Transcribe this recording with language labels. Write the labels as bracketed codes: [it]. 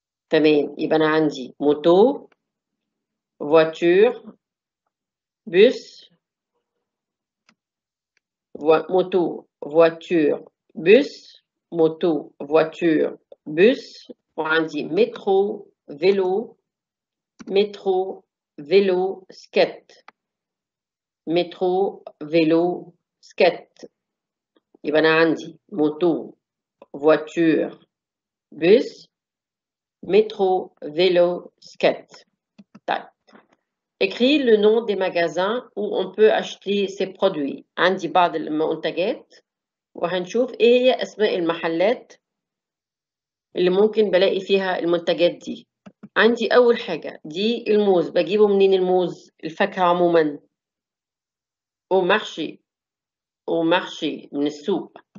[ar] تمام يبقى انا عندي موتو، فواتور، بوس، موتو، فواتور، بوس، موتو، فواتور، بوس، وعندي مترو، فيلو، مترو، فيلو، سكيت، مترو، فيلو، سكيت. يبقى أنا عندي موتو، [fr] voiture, bus, métro, vélo, skate. Écris le nom des magasins où on peut acheter ces produits. [ar] عندي بعض المنتجات وهنشوف ايه هي اسماء المحلات اللي ممكن بلاقي فيها المنتجات دي. عندي اول حاجة دي الموز، بجيبه منين الموز؟ الفاكهة عموما. ومحشي من السوق.